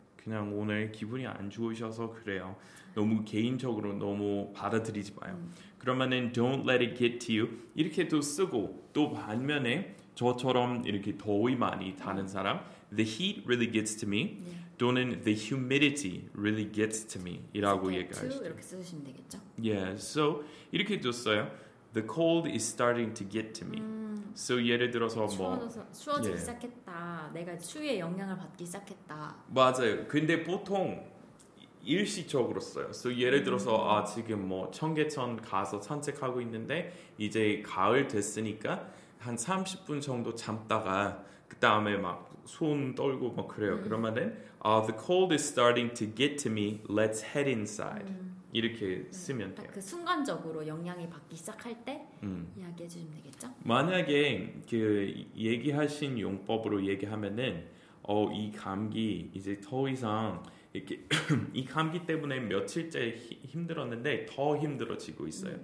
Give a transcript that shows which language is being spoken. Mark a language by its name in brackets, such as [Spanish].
[Korean] 그냥 오늘 기분이 안 좋으셔서 그래요. 너무 개인적으로 너무 받아들이지 마요. 그러면은 [English] don't let it get to you. [Korean] 이렇게도 쓰고 또 반면에 저처럼 이렇게 더위 많이 타는 사람 [English] the heat really gets to me. 또는 the humidity really gets to me. [Korean] 이라고 얘기할 수 있어요. 이렇게 쓰시면 되겠죠? Yeah, so 이렇게도 써요. [English] The cold is starting to get to me. [Korean] So 예를 들어서 추워지기 예. 시작했다. 내가 추위에 영향을 받기 시작했다. 맞아요. 근데 보통 일시적으로 써요. So 예를 들어서 아 지금 뭐 청계천 가서 산책하고 있는데 이제 가을 됐으니까 한 30분 정도 잠다가 그 다음에 막 손 떨고 막 그래요. [English] 그러면은 the cold is starting to get to me. Let's head inside. [Korean] 이렇게 쓰면 돼요. 그 순간적으로 영향이 받기 시작할 때 이야기해 주시면 되겠죠? 만약에 그 얘기하신 용법으로 얘기하면은 이 감기 이제 더 이상 이렇게 이 감기 때문에 며칠째 힘들었는데 더 힘들어지고 있어요.